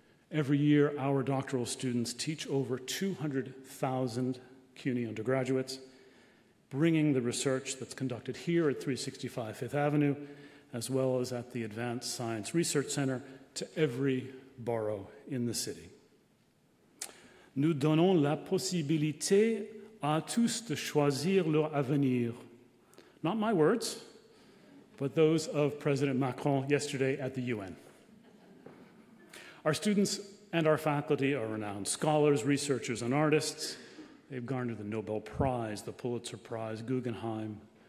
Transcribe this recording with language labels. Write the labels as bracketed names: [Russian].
[English] Every year, our doctoral students teach over 200,000 CUNY undergraduates, bringing the research that's conducted here at 365 Fifth Avenue, as well as at the Advanced Science Research Center, to every borough in the city. [French] Nous donnons la possibilité à tous de choisir leur avenir. [English] Not my words, but those of President Macron yesterday at the UN. Our students and our faculty are renowned scholars, researchers, and artists. They've garnered the Nobel Prize, the Pulitzer Prize, Guggenheim.